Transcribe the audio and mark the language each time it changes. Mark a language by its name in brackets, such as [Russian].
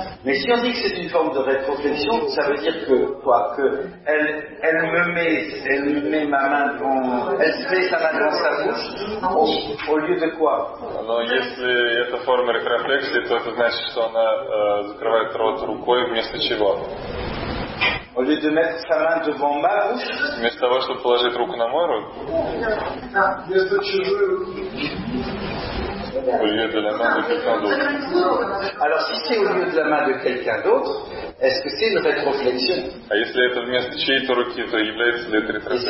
[French] Mais si on dit que c'est une forme de rétroflexion, ça veut dire que quoi? Que elle met ma main dans, elle met sa main dans sa bouche au lieu de quoi? [Russian] Но если это форма ретрофлексии, то это значит, что она закрывает рот рукой вместо чего? [French] Au lieu de mettre sa main devant ma bouche. [Russian] Вместо того, чтобы положить руку на мой рот. Вместо чужой руки. [French] Au lieu de la main de quelqu'un d'autre. Alors si c'est au lieu de la main de quelqu'un d'autre, est-ce que c'est une rétroflexion? [Russian] А если это вместо чьей-то руки, то является ли это ретрофлексия?